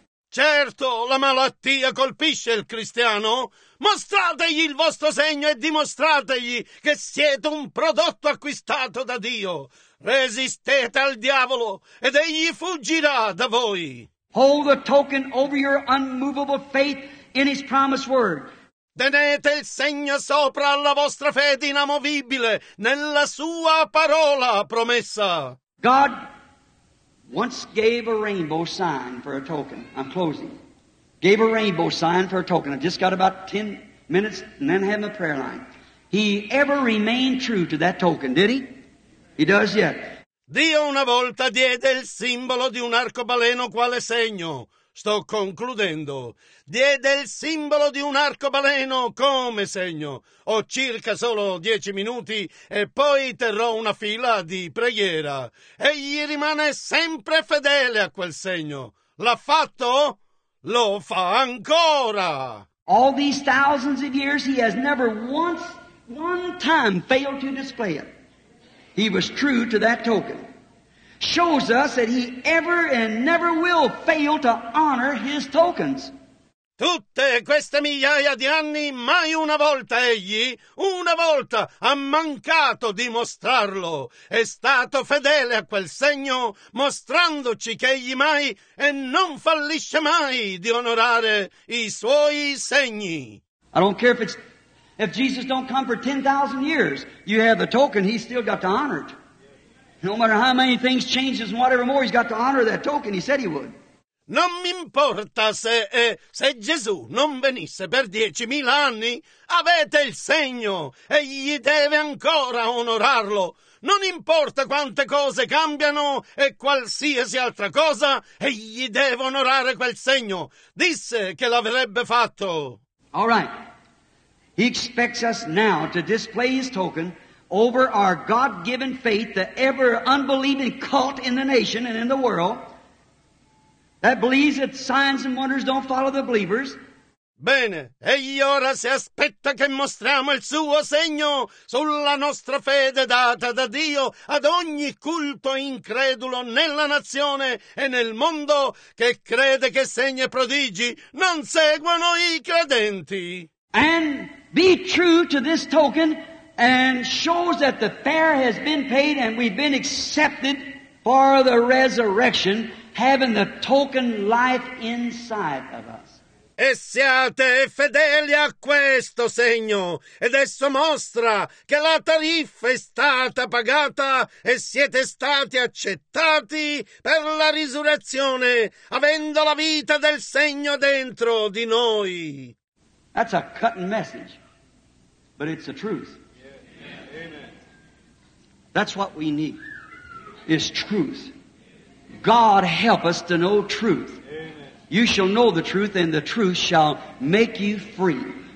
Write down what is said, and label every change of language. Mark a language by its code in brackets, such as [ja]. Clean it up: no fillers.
[it] Certo, la malattia colpisce il cristiano. Mostrategli il vostro segno e dimostrategli che siete un prodotto acquistato da Dio. Resistete al diavolo ed egli fuggirà da voi. [en] Hold the token over your unmovable faith in his promised word. [it] Tenete il segno sopra la vostra fede inamovibile nella sua parola promessa. [en] God once gave a rainbow sign for a token. I'm closing. Gave a rainbow sign for a token. I just got about 10 minutes and then have my prayer line. He ever remained true to that token, did he? He does yet. [it] Dio una volta diede il simbolo di un arcobaleno quale segno. Sto concludendo. Diede il simbolo di un arcobaleno come segno. Ho circa solo 10 minuti e poi terrò una fila di preghiera. Egli rimane sempre fedele a quel segno. L'ha fatto? Lo fa ancora! [en] All these thousands of years he has never once, one time failed to display it. He was true to that token. Shows us that he ever and never will fail to honor his tokens. [it] Tutte queste migliaia di anni, mai una volta egli, una volta, ha mancato di mostrarlo. È stato fedele a quel segno, mostrandoci che egli mai e non fallisce mai di onorare i suoi segni. [en] I don't care if Jesus don't come for 10,000 years, you have the token, he's still got to honor it. No matter how many things changes and whatever more, he's got to honor that token, he said he would. [it] Non mi importa se Gesù non venisse per 10,000 anni, avete il segno e gli deve ancora onorarlo. Non importa quante cose cambiano e qualsiasi altra cosa, e gli deve onorare quel segno. Disse che l'avrebbe fatto. [en] All right. He expects us now to display his token over our God-given faith, the ever unbelieving cult in the nation and in the world. That believes that signs and wonders don't follow the believers. [it] Bene, egli ora si aspetta che mostriamo il suo segno sulla nostra fede data da Dio ad ogni culto incredulo nella nazione e nel mondo che crede che segni e prodigi non seguono i credenti. [en] And be true to this token and shows that the fare has been paid and we've been accepted for the resurrection. Having the token life inside of us. [it] E siate fedeli a questo segno, ed esso mostra che la tariffa è stata pagata e siete stati accettati per la risurrezione, avendo la vita del segno dentro di noi. [en] That's a cutting message, but it's the truth. Amen. That's what we need, is truth. God help us to know truth. Amen. You shall know the truth, and the truth shall make you free.